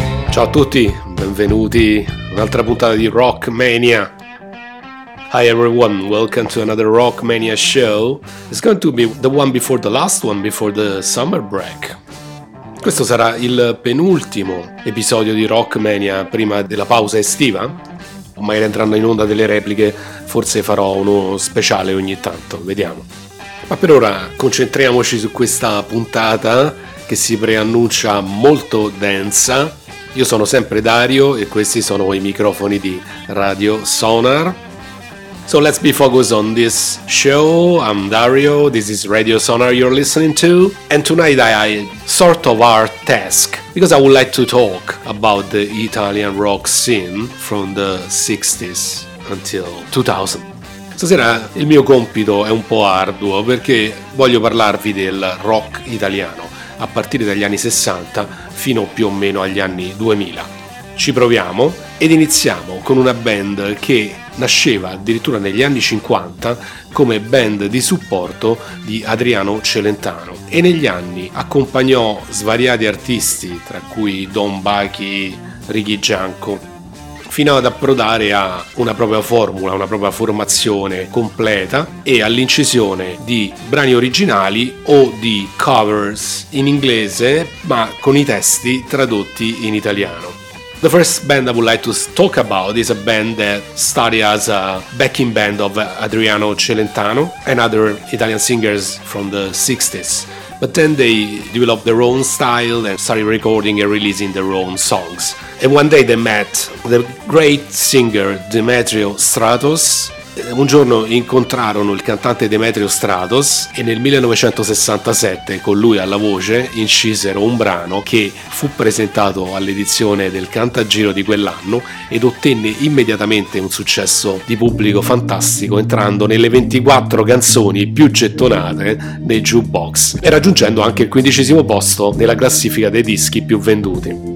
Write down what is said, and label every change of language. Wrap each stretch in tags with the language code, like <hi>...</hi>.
<it>Ciao a tutti, benvenuti a un'altra puntata di Rockmania.</it> <en>Hi everyone, welcome to another Rockmania show. It's going to be the one before the last one before the summer break.</en> <it>Questo sarà il penultimo episodio di Rockmania prima della pausa estiva. Ormai entrando in onda delle repliche, forse farò uno speciale ogni tanto, vediamo. Ma per ora concentriamoci su questa puntata che si preannuncia molto densa. Io sono sempre Dario e questi sono i microfoni di Radio Sonar.</it> <en>So let's be focused on this show. I'm Dario, this is Radio Sonar you're listening to. And tonight I have sort of our task, because I would like to talk about the Italian rock scene from the 60s until 2000.</en> <it>Stasera il mio compito è un po' arduo perché voglio parlarvi del rock italiano a partire dagli anni 60 fino più o meno agli anni 2000. Ci proviamo ed iniziamo con una band che nasceva addirittura negli anni 50 come band di supporto di Adriano Celentano e negli anni accompagnò svariati artisti tra cui Don Bachi, Ricky Gianco, fino ad approdare a una propria formula, una propria formazione completa e all'incisione di brani originali o di covers in inglese, ma con i testi tradotti in italiano.</it> <en>The first band I would like to talk about is a band that started as a backing band of Adriano Celentano and other Italian singers from the 60s. But then they developed their own style and started recording and releasing their own songs. And one day they met the great singer Demetrio Stratos.</en> <it>Un giorno incontrarono il cantante Demetrio Stratos e nel 1967 con lui alla voce incisero un brano che fu presentato all'edizione del Cantagiro di quell'anno ed ottenne immediatamente un successo di pubblico fantastico, entrando nelle 24 canzoni più gettonate nei jukebox e raggiungendo anche il 15° posto nella classifica dei dischi più venduti.</it>